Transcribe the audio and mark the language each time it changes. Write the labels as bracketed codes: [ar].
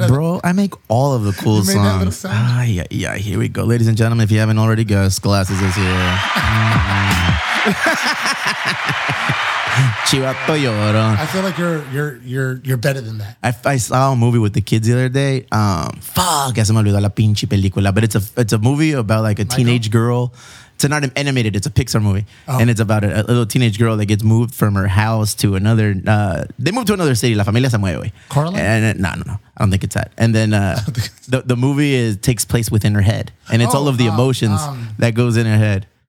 [en] Bro, I make all of the cool you songs. Made that little sound. Yeah, yeah, here we go. Ladies and gentlemen, if you haven't already guessed, Glasses is here. [es] Chivato lloro. [en] I feel like you're better than that. I saw a movie with the kids the other day. [es] Fuck, ya se me olvidó la pinche película. [en] But it's a movie about like a teenage girl. It's not animated. It's a Pixar movie, and it's about a little teenage girl that gets moved from her house to another. They move to another city. [es] La familia se mueve. [en] Carla? No. I don't think it's that. And then the movie takes place within her head, and it's all of the emotions that goes in her head.